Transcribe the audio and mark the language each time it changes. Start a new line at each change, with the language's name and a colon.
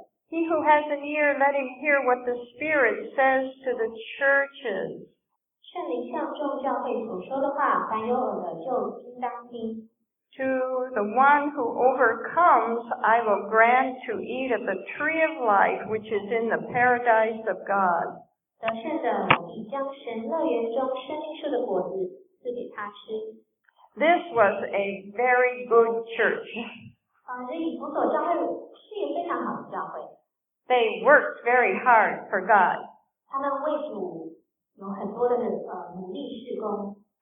English: He who has an ear, let him hear what the Spirit says to the churches.
Chinese: 圣灵向众教会所说的话，凡有耳的就应当听。
English: To the one who overcomes, I will grant to eat of the tree of life, which is in the paradise of God.
Chinese: 得胜者，你将神乐园中生命树的果子赐给他吃。
English: This was a very good church.
Chinese: 这以弗所教会是一个非常好的教会。
English: They worked very hard for God.
Chinese: 他们为主有很多的努力事工。